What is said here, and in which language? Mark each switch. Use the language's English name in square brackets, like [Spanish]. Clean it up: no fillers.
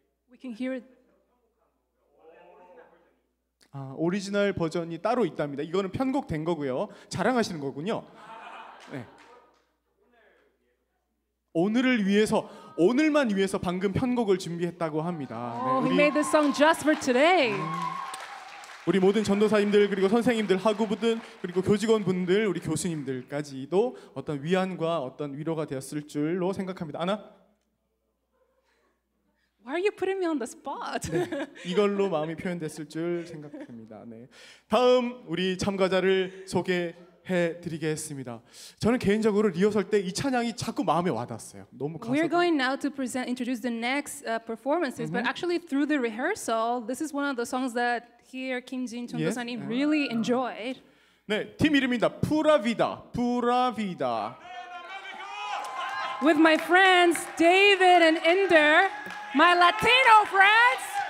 [English] We can hear it. [Korean] 아, 오리지널 버전이 따로 있답니다. 이거는 편곡된 거고요. 자랑하시는 거군요. 네. 오늘을 위해서, 오늘만 위해서 방금 편곡을 준비했다고 합니다. [English] 네, oh, he made this song just for today. [Korean] 우리 모든 전도사님들 그리고 선생님들 학우분들 그리고 교직원분들 우리 교수님들까지도 어떤 위안과 어떤 위로가 되었을 줄로 생각합니다. 아나? [English] Why are you putting me on the spot? [Korean] 네, 이걸로 마음이 표현됐을 줄 생각합니다. 네, 다음 우리 참가자를 소개해드리겠습니다. 저는 개인적으로 리허설 때 이 찬양이 자꾸 마음에 와닿았어요. 너무 가사. [English] We're going now to present, introduce the next performances. Mm-hmm. But actually, through the rehearsal, this is one of the songs that here Kim Jin Jung Dosanim really enjoyed. [Korean] 네, 팀 이름입니다. 푸라비다. 푸라비다. [English] With my friends David and Inder, my Latino friends.